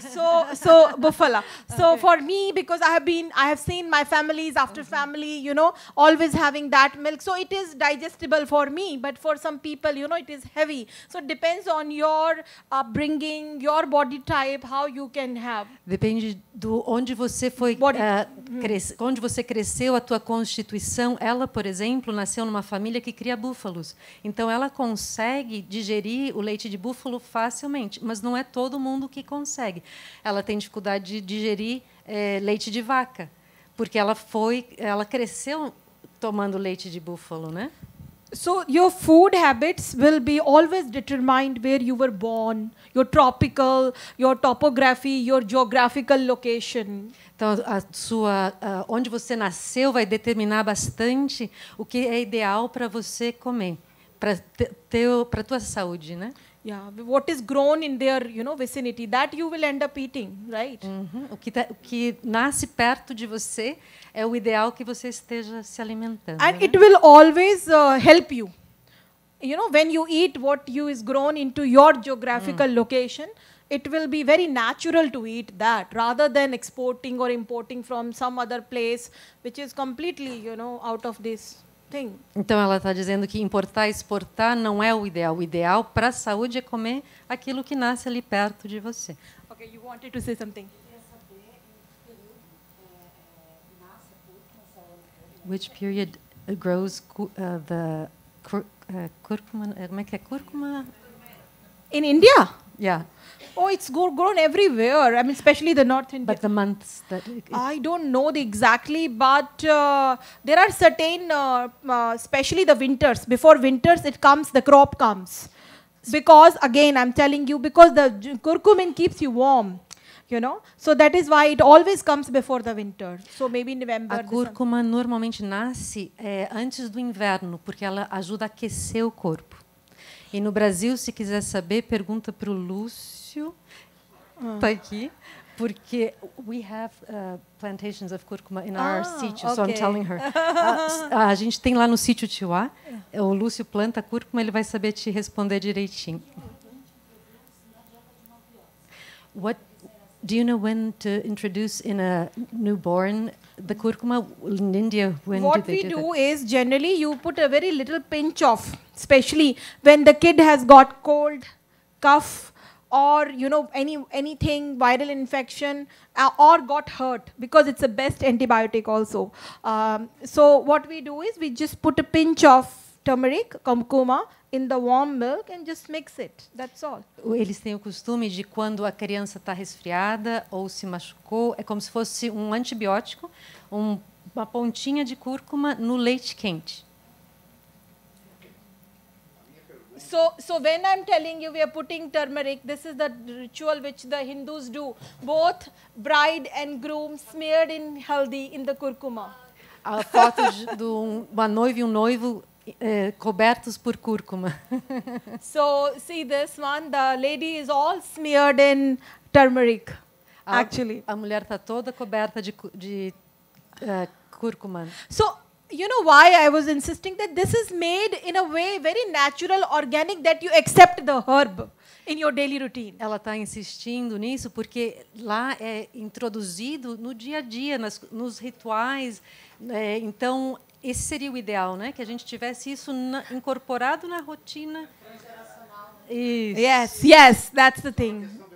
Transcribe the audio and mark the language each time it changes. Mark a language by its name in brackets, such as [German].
[English] So for me, because I have seen my families after family, you know, always having that milk. So it is digestible for me, but for some people, you know, it is heavy. So it depends on your upbringing, your body type, how you can have. [Portuguese] Depende do onde você foi, onde você cresceu, a tua constituição. Ela, por exemplo, nasceu numa família que cria búfalos. Então ela consegue digerir o leite de búfalo facilmente, mas não é todo mundo que consegue. Ela tem dificuldade de digerir leite de vaca, porque ela cresceu tomando leite de búfalo, né? [English] So your food habits will be always determined where you were born, your tropical, your topography, your geographical location. [Portuguese] Então onde você nasceu vai determinar bastante o que é ideal para você comer, para tua saúde, né? [English] Yeah, what is grown in their, you know, vicinity, that you will end up eating, right? Uh-huh. [Portuguese] O que nasce perto de você é o ideal que você esteja se alimentando. [English] And it will always help you. You know, when you eat what you is grown into your geographical location, it will be very natural to eat that rather than exporting or importing from some other place, which is completely, you know, out of this thing. [Portuguese] Então ela está dizendo que importar e exportar não é o ideal. O ideal para a saúde é comer aquilo que nasce ali perto de você. [English] Okay, you wanted to say something. Which period grows the curcuma? [Portuguese] Como é que é curcuma? [English] In India? Yeah. Oh, it's grown everywhere. I mean, especially the North India. But the months that I don't know the exactly, but there are certain, especially the winters. Before winters, it comes. The crop comes because again, I'm telling you, because the curcumin keeps you warm. You know, so that is why it always comes before the winter. So maybe November. [Portuguese] A cúrcuma normalmente nasce antes do inverno porque ela ajuda a aquecer o corpo. E no Brasil, se quiser saber, pergunta para o Lúcio, está aqui, porque [English] we have plantations of curcuma in our sítio, okay. So I'm telling her. [Portuguese] A gente tem lá no sítio Tiwá, o Lúcio planta cúrcuma, ele vai saber te responder direitinho. [English] What do you know when to introduce in a newborn the curcuma in India? When what do they we do that? Is generally you put a very little pinch of, especially when the kid has got cold, cough, or you know anything viral infection or got hurt, because it's the best antibiotic also. So what we do is we just put a pinch of turmeric, curcuma, in the warm milk and just mix it. That's all. [Portuguese] Eles têm o costume de quando a criança está resfriada ou se machucou, é como se fosse um antibiótico, uma pontinha de cúrcuma no leite quente. [English] So when I'm telling you we are putting turmeric, this is the ritual which the Hindus do. Both bride and groom smeared in haldi in the curcuma. [Portuguese] A foto de uma noiva e um noivo cobertos por cúrcuma. [English] So see this one, the lady is all smeared in turmeric, actually. [Portuguese] A mulher está toda coberta de cúrcuma. [English] So you know why I was insisting that this is made in a way very natural, organic, that you accept the herb in your daily routine. [Portuguese] Ela está insistindo nisso porque lá é introduzido no dia a dia, nos rituais. Então, esse seria o ideal, né? Que a gente tivesse isso incorporado na rotina. Isso. [English] Yes, yes, that's the thing.